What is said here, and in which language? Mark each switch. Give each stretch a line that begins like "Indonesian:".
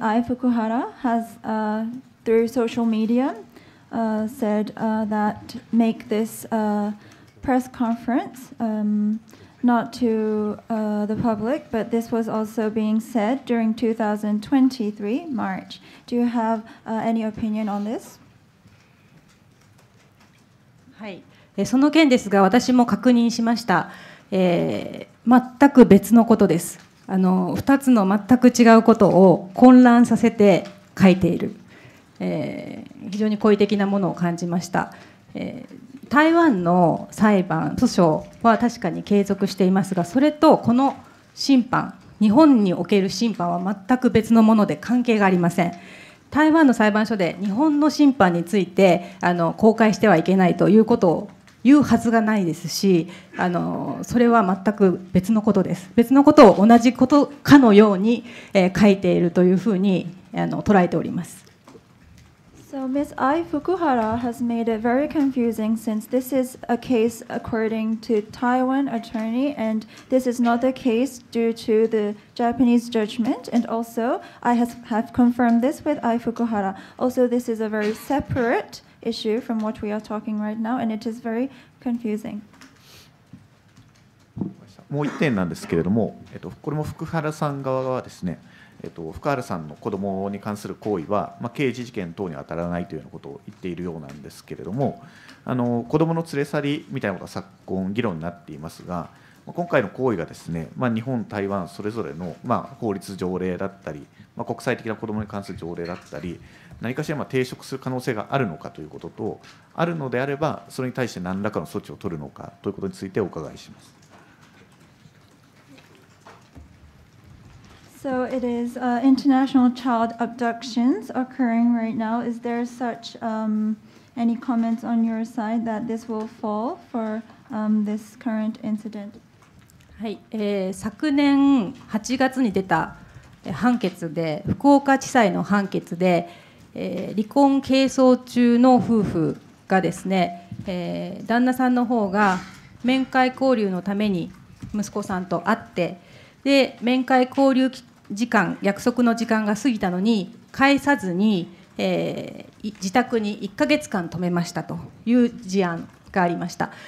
English: Ai Fukuhara has, through social media, said that make this press conference not to the public, but this was also being said during 2023, March. Do you have any opinion on this?
Japanese: はい、その件ですが、私も確認しました。全く別のことです。 2つの全く違うことを混乱させて書いている、非常に故意的なものを感じました、台湾の裁判訴訟は確かに継続していますが、それとこの審判、日本における審判は全く別のもので関係がありません。台湾の裁判所で日本の審判について公開してはいけないということを言うはずがないですし、それは全く別のことです。別のことを同じことかのように、書いているというふうに捉えております。
English: So, Ms. Ai Fukuhara has made it very confusing since this is a case according to Taiwan attorney and this is not the case due to the Japanese judgment. And also, I have confirmed this with Ai Fukuhara. Also, this is a very separate. Issue from what we are talking right now, and it is very confusing.
Japanese: もう一点なんですけれども、これも福原さん側はですね、福原さんの子供に関する行為は、まあ、刑事事件等に当たらないというようなことを言っているようなんですけれども、子供の連れ去りみたいなことが昨今議論になっていますが、今回の行為がですね、まあ、日本、台湾それぞれの、まあ、法律条例だったり、まあ、国際的な子どもに関する条例だったり、何かしらまあ抵触する可能性があるのかということと、あるのであれば、それに対して何らかの措置を取るのかということについてお伺いします。
English: So it is international child abductions occurring right now. Is there such any comments on your side that this will fall for this current incident?
Japanese: はい、昨年8月に出た判決で、福岡地裁の判決で、離婚係争中の夫婦がですね、旦那さんの方が面会交流のために息子さんと会って、で面会交流時間、約束の時間が過ぎたのに、返さずに、自宅に1ヶ月間泊めましたという事案がありました。